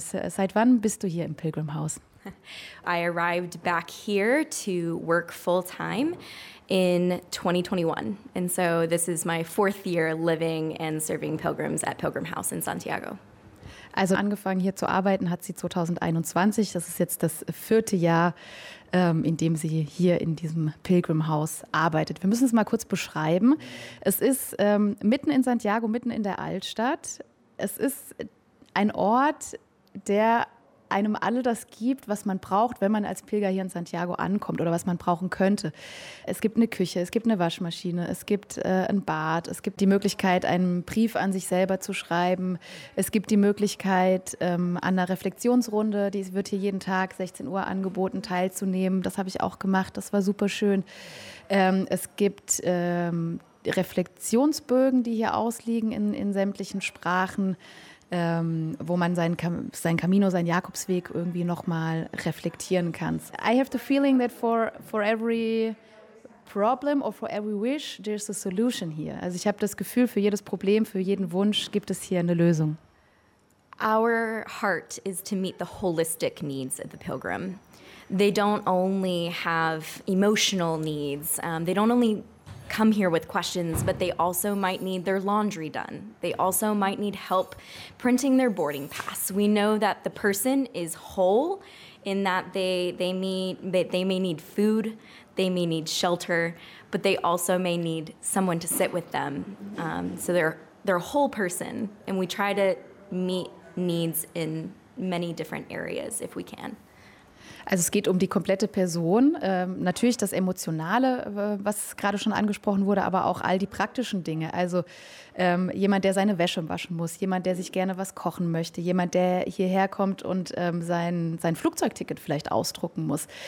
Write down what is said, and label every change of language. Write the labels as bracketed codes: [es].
[de] Seit wann bist du hier im Pilgrim House? [en] I arrived back here to work full time in 2021. And so this is my fourth year living and serving pilgrims at Pilgrim House in Santiago. [de] Also angefangen hier zu arbeiten hat sie 2021. Das ist jetzt das vierte Jahr, in dem sie hier in diesem Pilgrim House arbeitet. Wir müssen es mal kurz beschreiben. Es ist mitten in Santiago, mitten in der Altstadt. Es ist ein Ort, der einem alle das gibt, was man braucht, wenn man als Pilger hier in Santiago ankommt oder was man brauchen könnte. Es gibt eine Küche, es gibt eine Waschmaschine, es gibt ein Bad, es gibt die Möglichkeit, einen Brief an sich selber zu schreiben. Es gibt die Möglichkeit, an einer Reflexionsrunde, die wird hier jeden Tag 16 Uhr angeboten, teilzunehmen. Das habe ich auch gemacht, das war super schön. Es gibt Reflexionsbögen, die hier ausliegen in sämtlichen Sprachen. Wo man sein Camino, seinen Jakobsweg irgendwie nochmal reflektieren kann. [en] I have the feeling that for every problem or for every wish, there's a solution here. [de] Also ich habe das Gefühl, für jedes Problem, für jeden Wunsch gibt es hier eine Lösung. [en] Our heart is to meet the holistic needs of the pilgrim. They don't only have emotional needs, they don't only come here with questions, but they also might need their laundry done. They also might need help printing their boarding pass. We know that the person is whole in that they may need food, they may need shelter, but they also may need someone to sit with them. So they're a whole person, and we try to meet needs in many different areas if we can. [de] Also es geht um die komplette Person, natürlich das Emotionale, was gerade schon angesprochen wurde, aber auch all die praktischen Dinge. Also jemand, der seine Wäsche waschen muss, jemand, der sich gerne was kochen möchte, jemand, der hierher kommt und sein Flugzeugticket vielleicht ausdrucken muss.